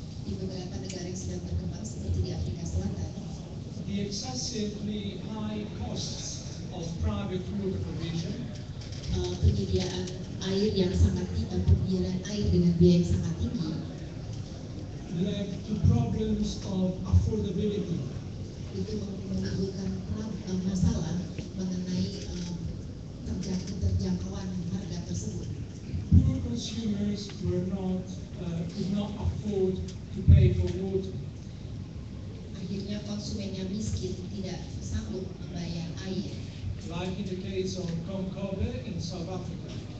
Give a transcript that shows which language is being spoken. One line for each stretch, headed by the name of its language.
Indonesian: Di beberapa negara yang sedang berkembang seperti di Afrika Selatan,
English: the excessively high costs of private water provision,
Indonesian: penyediaan air yang sangat tinggi, penyediaan air dengan biaya yang sangat tinggi,
English: led to problems of affordability.
Indonesian: Itu menimbulkan masalah mengenai terjangkauan harga tersebut.
English: Poor consumers could not afford to pay for water.
Indonesian: Akhirnya konsumen yang miskin tidak sanggup membayar air.
English: Like in the case of Konkobe in South Africa.